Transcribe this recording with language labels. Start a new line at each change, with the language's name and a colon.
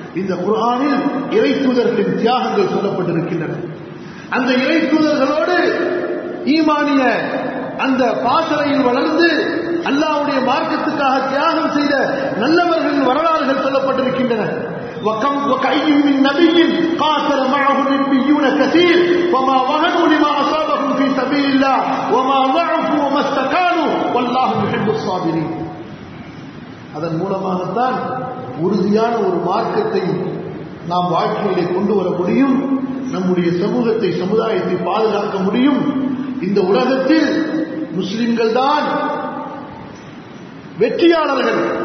Tamil: இந்த குர்ஆனில் இறைத்தூதர்களின் தியாகங்கள் சொல்லப்பட்டிருக்கின்றன. அந்த இறைத்தூதர்களோடு ஈமானிய அந்த பாசறையில் வளர்ந்து அல்லாஹ்வுடைய மார்க்கத்துக்காக தியாகம் செய்த நல்லவர்களின் வரலாறுகள் சொல்லப்பட்டிருக்கின்றன.
Arabic: وكم وكاين من نبي قاتل معه النبيون كثير وما وهنوا لما اصابهم في سبيل الله وما ضعفوا وما استكانوا والله يحب الصابرين.
Tamil: هذا المولமாக தான் உறுதியான ஒரு மார்க்கத்தை நாம் வாழ்க்கையிலே கொண்டு வர முடியும், நம்முடைய சமூகத்தை சமுதாயத்தை பாதுகாக்க முடியும். இந்த உலகத்தில் முஸ்லிம்கள் தான் வெற்றியாளர்கள்.